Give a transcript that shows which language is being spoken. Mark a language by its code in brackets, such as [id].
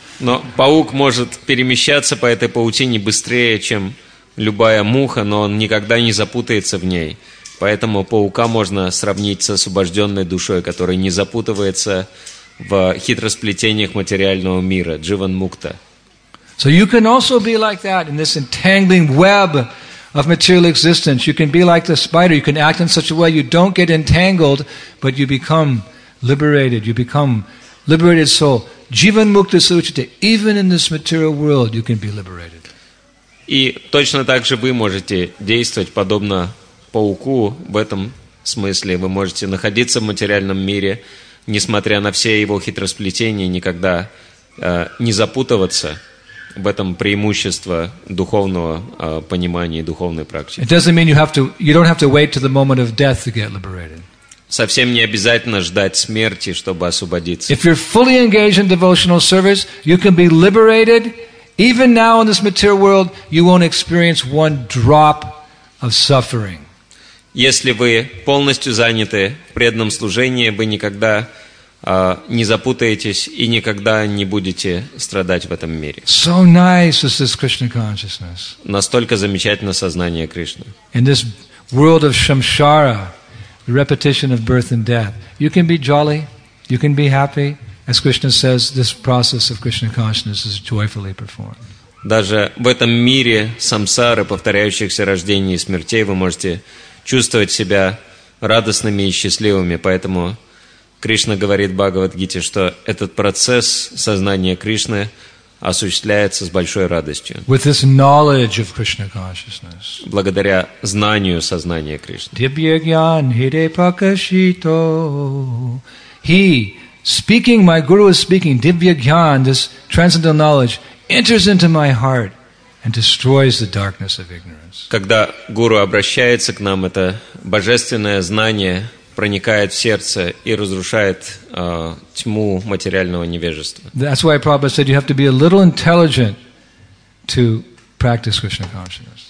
[ru] Но паук может перемещаться по этой паутине быстрее, чем любая муха, но он никогда не запутается в ней. Поэтому паука можно сравнить с освобожденной душой, которая не запутывается в хитросплетениях материального мира. [sa] Дживан мукта. [en] So you can also be like that in this entangling web of material existence. You can be like the spider. You can act in such a way you don't get entangled, but you become liberated. You become liberated soul. Jivan mukta suchate. Even in this material world, you can be liberated. [ru] И точно так же вы можете действовать подобно пауку в этом смысле. Вы можете находиться в материальном мире, несмотря на все его хитросплетения, никогда не запутываться в этом преимущество духовного понимания и духовной практики. [en] It doesn't mean you don't have to wait to the moment of death to get liberated. [ru] Совсем не обязательно ждать смерти, чтобы освободиться. [en] If you're fully engaged in devotional service, you can be liberated. Even now in this material world, you won't experience one drop of suffering. [ru] Если вы полностью заняты в преданном служении, вы никогда не запутаетесь и никогда не будете страдать в этом мире. [en] So nice is this Krishna consciousness. [ru] Настолько замечательно сознание Кришны. [en] In this world of samsara, the repetition of birth and death, you can be jolly, you can be happy. As Krishna says, this process of Krishna consciousness is joyfully performed. [ru] Даже в этом мире самсары, повторяющихся рождений и смертей, вы можете чувствовать себя радостными и счастливыми. Поэтому Кришна говорит в Бхагавад-гите, что этот процесс сознания Кришны осуществляется с большой радостью. [en] With this knowledge of Krishna consciousness. [ru] Благодаря знанию сознания Кришны. [bn] Дивьягьян хиде пакашито. [en] He, speaking, my guru is speaking, Дивьягьян, this transcendental knowledge, enters into my heart and destroys the darkness of ignorance. [ru] Когда гуру обращается к нам, это божественное знание проникает в сердце и разрушает тьму материального невежества. [en] That's why Prabhupada said you have to be a little intelligent to practice Krishna consciousness.